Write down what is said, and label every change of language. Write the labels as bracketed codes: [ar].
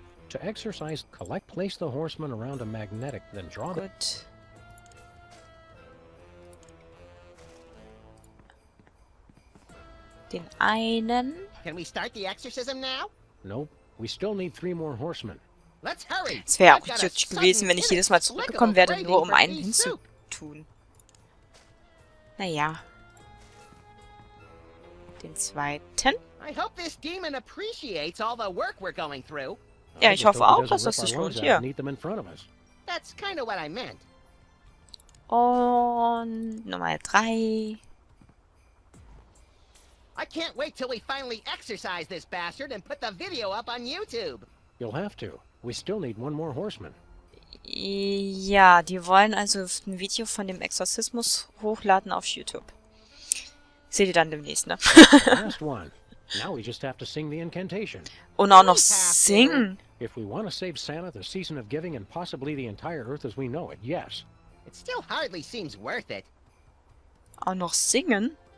[en] To exercise, collect, place the horseman around a magnetic, then draw [de] it. Gut. Den einen. [en] Can we start the exorcism now? Nope. We still need three more horsemen. Let's hurry. [de] Es wäre auch idiotisch gewesen, wenn ich jedes Mal zurückgekommen wäre, nur um einen hinzutun. Naja. Den zweiten. [en] I hope this demon appreciates all the work we're going through. [de] Ja, ich hoffe auch, dass das sich lohnt hier. [en] That's kind of what I meant. [de] Und Nummer 3. [en] I can't wait till we finally exercise this bastard and put the video up on YouTube. You'll have to. We still need one more horseman. [de] Ja, die wollen also ein Video von dem Exorzismus hochladen auf YouTube. Seht ihr dann demnächst, ne? [en] Last one. Now we just have to sing the incantation. [de] Und auch noch singen. [en] If we want to save Santa, the season of giving, and possibly the entire Earth as we know it, yes. It still hardly seems worth it. [de] Auch noch singen?